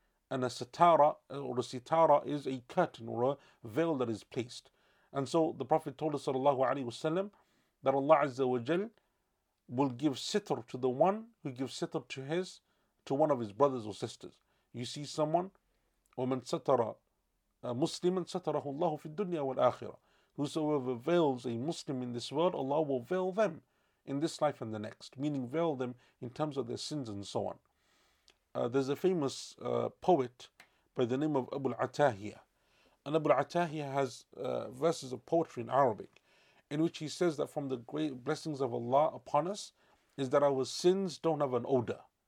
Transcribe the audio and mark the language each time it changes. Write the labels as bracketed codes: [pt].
[en] And a sitara or a sitara is a curtain or a veil that is placed. And so the Prophet told us, sallallahu alayhi wasallam, that Allah Azza wa Jal will give sitr to the one who gives sitr to one of his brothers or sisters. You see someone, [ar] وَمَنْ سَتَرَ مسلما ستره الله في الدنيا والآخرة. [en] Whosoever veils a Muslim in this world, Allah will veil them in this life and the next, meaning veil them in terms of their sins and so on. There's a famous poet by the name of Abu al-Atahiyah. And Abu al-Atahiyah has verses of poetry in Arabic in which he says that from the great blessings of Allah upon us is that our sins don't have an odor.